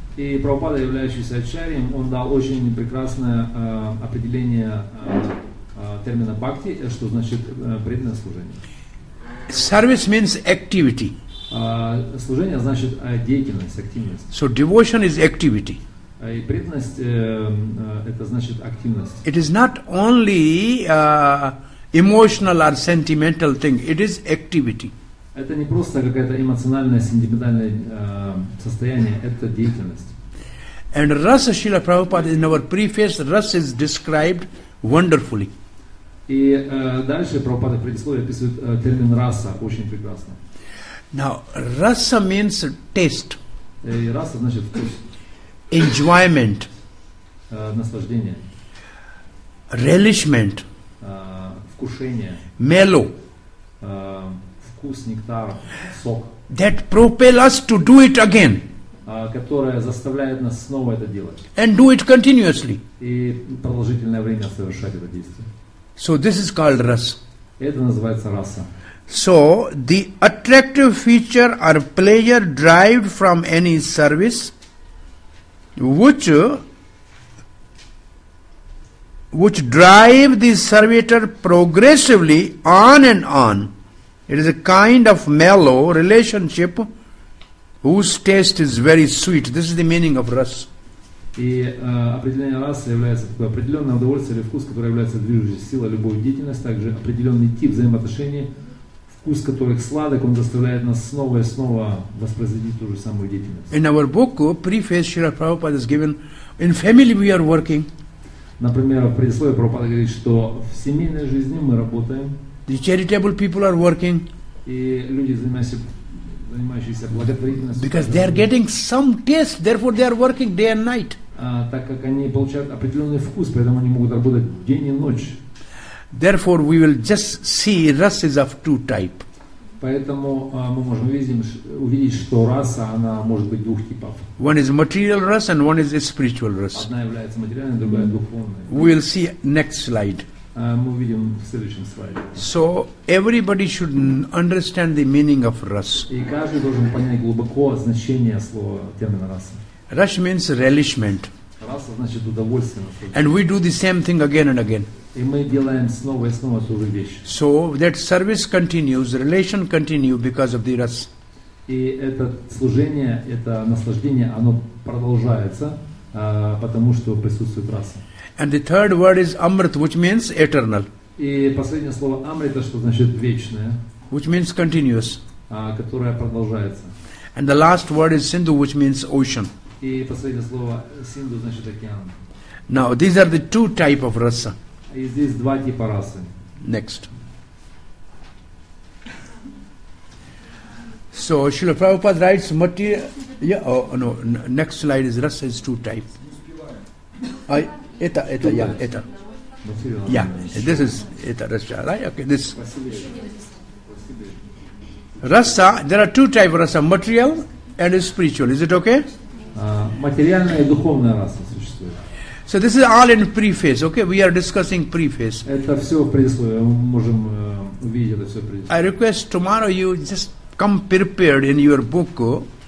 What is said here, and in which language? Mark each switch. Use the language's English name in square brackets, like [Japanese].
[Russian] И Прабхупада, являющийся Ачарьем, он дал очень прекрасное определение термина Бхакти, что значит преданное служение. [English] Service means activity. [Russian] Служение значит деятельность, активность. [English] So devotion is activity. [Russian] И преданность это значит активность. [English] It is not only emotional or sentimental thing. It is activity. [Russian] Это не просто какая-то эмоциональная, сентиментальное состояние. Это деятельность. [English] And rasa Srila Prabhupada in our preface, rasa is described wonderfully. [Russian] И дальше Прабхупада в предисловии описывает термин раса очень прекрасно. [English] Now, rasa means taste. [Russian] Rasa значит вкус. [English] Enjoyment. [Russian] Наслаждение. [English] Relishment. [Russian] Вкушение. [English] Mellow. [Russian] Вкус, нектар, сок. [English] That propel us to do it again. [Russian] Которая заставляет нас снова это делать. [English] And do it continuously. [Russian] И продолжительное время совершать это действие. [English] So this is called rasa. [Russian] Это называется раса. [English] So, the attractive feature or pleasure derived from any service which drive the servitor progressively on. It is a kind of mellow relationship whose taste is very sweet. This is the meaning of rasa. [Russian] И определение раса является такое определенное удовольствие или вкус, которое является движущей силой любой деятельности, также определенный тип взаимоотношений. Вкус которых сладок, он заставляет нас снова и снова воспроизвести ту же самую деятельность. [English] In our book, preface, Srila Prabhupada has given, in family we are working. [Russian] Например, в предисловии Прабхупада говорит, что в семейной жизни мы работаем. [English] The charitable people are working. [Russian] И люди, занимающиеся благотворительностью. [English] Because they are getting some taste, therefore they are working day and night. [Russian] Так как они получают определенный вкус, поэтому они могут работать день и ночь. [English] Therefore, we will just see rasa is of two type. [Russian] Поэтому мы можем увидеть, что раса она может быть двух типов. [English] One is material rasa and one is spiritual rasa. [Russian] Одна является материальной, другая духовной. [English] We will see next slide. [Russian] Мы увидим в следующем слайде. [English] So everybody should understand the meaning of rasa. [Russian] И каждый должен понять глубоко значение слова термина раса. [English] Rasa means relishment. [Russian] Раса значит удовольствие. [English] And we do the same thing again and again. [Russian] И мы делаем снова и снова ту же вещь. [English] So that service continues, relation continues because of the rasa. [Russian] И это служение, это наслаждение, оно продолжается, потому что присутствует раса. [English] And the third word is amrit, which means eternal. [Russian] И последнее слово амрита, что значит вечное. [English] Which means continuous. [Russian] Которое продолжается. [English] And the last word is sindhu, which means ocean. [Russian] И последнее слово sindhu значит океан. [English] Now these are the two type of rasa. [Russian] И здесь два типа расы. [English] Next. So, Srila Prabhupada writes material... Yeah, oh, no, next slide is rasa is two type. [Russian] Это. [English] Yeah, this is это rasa, right? Okay, this... Rasa, there are two type of rasa, material and spiritual. Is it okay? [Russian] Материальная и духовная раса существует. [English] So this is all in preface, okay? We are discussing preface. [Russian] Это все в предисловии. Мы можем увидеть это все в предисловии. [English] I request tomorrow you just come prepared in your book